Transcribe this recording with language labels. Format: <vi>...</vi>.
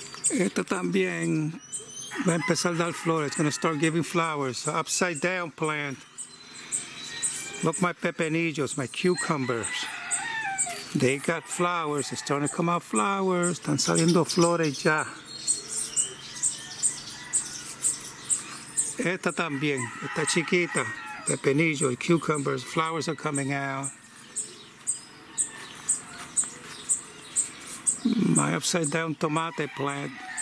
<es>Esto también va a empezar a dar flores.</es> <en>It's going to start giving flowers. Upside down plant. Look, my pepinillos, my cucumbers. They got flowers. It's starting to come out flowers.</en> <es>Están saliendo flores ya. Esta también, esta chiquita, pepinillo,</es> <en>cucumbers, flowers are coming out. My upside down tomate plant.</en>